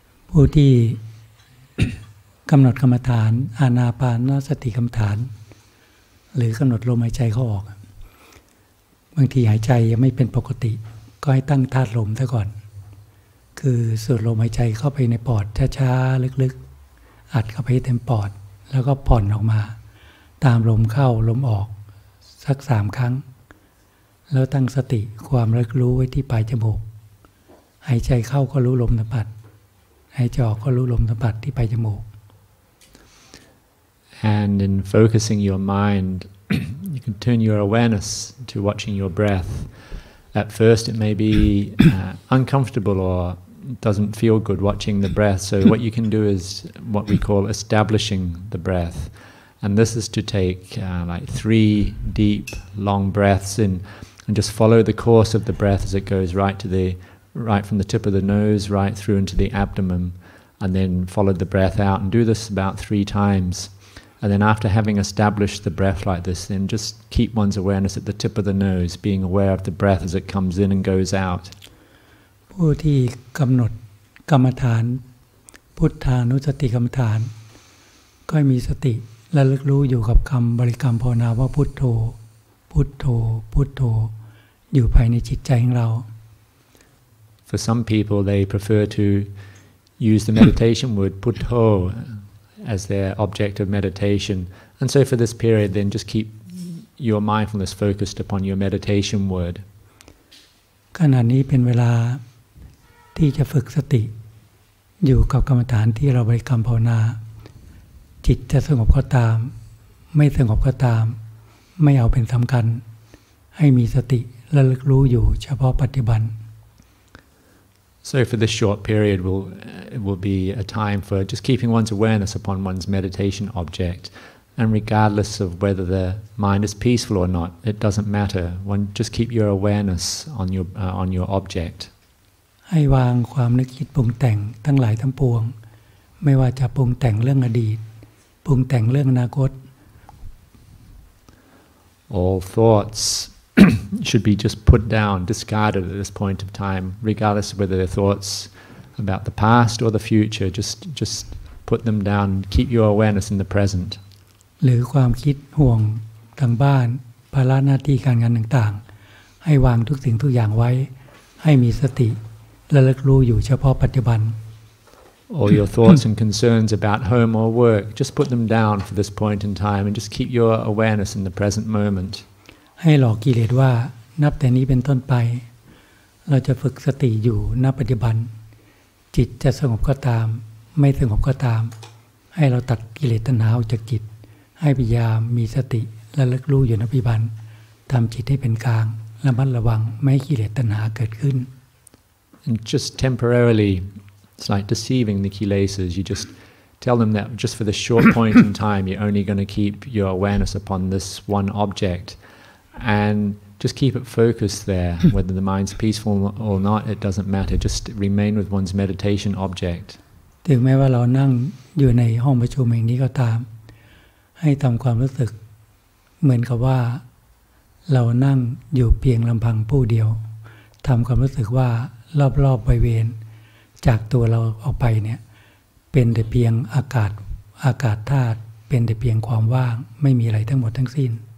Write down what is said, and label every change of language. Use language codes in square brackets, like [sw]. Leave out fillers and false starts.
[th] ผู้ที่กำหนดกรรมฐานอานาปานสติกรรมฐานหรือกำหนดลมหายใจเข้าออกบางทีหายใจยังไม่เป็นปกติก็ให้ตั้งธาตุลมซะก่อนคือสูดลมหายใจเข้าไปในปอดช้าๆลึกๆอัดเข้าไปเต็มปอดแล้วก็ผ่อนออกมาตามลมเข้าลมออกสัก3ครั้ง แล้วตั้งสติความระลึกรู้ไว้ที่ปลายจมูกหายใจเข้าก็รู้ลมสัมผัสหายใจออกก็รู้ลมสัมผัสที่ปลายจมูก [en] And in focusing your mind you can turn your awareness to watching your breath. At first it may be uncomfortable orDoesn't feel good watching the breath. So what you can do is what we call establishing the breath. And this is to take like three deep, long breaths in and just follow the course of the breath as it goes right from the tip of the nose right through into the abdomen and then follow the breath out and do this about three times. And then after having established the breath like this, then just keep one's awareness at the tip of the nose, being aware of the breath as it comes in and goes out. [th] ผู้ที่กำหนดกรรมฐานพุทธานุสติกรรมฐานก็มีสติและระลึกรู้อยู่กับคำบริกรรมภาวนาว่าพุทโธพุทโธพุทโธอยู่ภายในจิตใจของเรา [en] For some people they prefer to use the meditation word putto as their object of meditation and so for this period then just keep your mindfulness focused upon your meditation word [th] ขณะนี้เป็นเวลาที่จะฝึกสติอยู่กับกรรมฐานที่เราบริกรรมภาวนาจิตจะสงบก็ตามไม่สงบก็ตามไม่เอาเป็นสำคัญให้มีสติระลึกรู้อยู่เฉพาะปัจจุบัน [en] So for this short period will be a time for just keeping one's awareness upon one's meditation object and regardless of whether the mind is peaceful or not it doesn't matter one just keep your awareness on your object [th] ให้วางความนึกคิดปรุงแต่งทั้งหลายทั้งปวงไม่ว่าจะปรุงแต่งเรื่องอดีตปรุงแต่งเรื่องอนาคต [en] All thoughts should be just put down discarded at this point of time regardless of whether they're thoughts about the past or the future just put them down keep your awareness in the present [th] หรือความคิดห่วงทางบ้านภาระหน้าที่การงานต่างๆให้วางทุกสิ่งทุกอย่างไว้ให้มีสติระลึกรู้อยู่เฉพาะปัจจุบัน [en] All your thoughts and concerns about home or work just put them down for this point in time and just keep your awareness in the present moment [th] ให้หลอกกิเลสว่านับแต่นี้เป็นต้นไปเราจะฝึกสติอยู่ณปัจจุบันจิตจะสงบก็ตามไม่สงบก็ตามให้เราตัดกิเลสตัณหาออกจากจิตให้พยายามมีสติระลึกรู้อยู่ณปัจจุบันทำจิตให้เป็นกลางระมัดระวังไม่ให้กิเลสตัณหาเกิดขึ้น [en] And just temporarily, it's like deceiving the kilesas. You just tell them that just for the short point in time, you're only going to keep your awareness upon this one object. And just keep it focused there. Whether the mind's peaceful or not, it doesn't matter. Just remain with one's meditation object. [th] ถึงแม้ว่าเรานั่งอยู่ในห้องประชุมแห่งนี้ก็ตามให้ทำความรู้สึกเหมือนกับว่าเรานั่งอยู่เพียงลำพังผู้เดียวทำความรู้สึกว่ารอบๆบริเวณจากตัวเราออกไปเนี่ยเป็นแต่เพียงอากาศธาตุเป็นแต่เพียงความว่างไม่มีอะไรทั้งหมดทั้งสิ้น